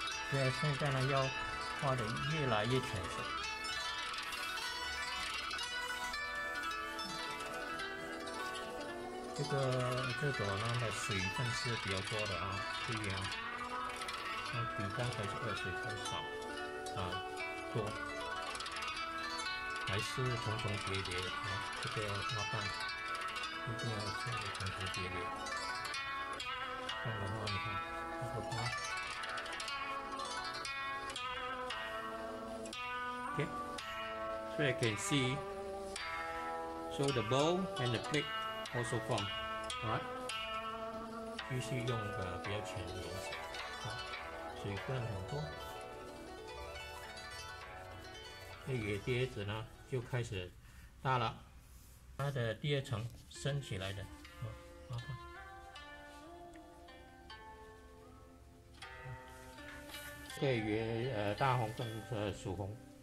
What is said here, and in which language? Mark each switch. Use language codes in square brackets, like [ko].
[zh] 现在呢要画得越来越浅色，这朵呢的水分是比较多的啊，注意啊，它比刚才这个水分少啊多，还是重重叠叠的啊，这个花瓣一定要这样重重叠叠，这样的话你看这个花。 [en] Okay, so you can see, so the bowl and the plate also form, right? [zh] 继续用个比较浅的颜色，水分很多。那野蝶子呢，就开始大了，它的第二层升起来的，对于大红跟曙红。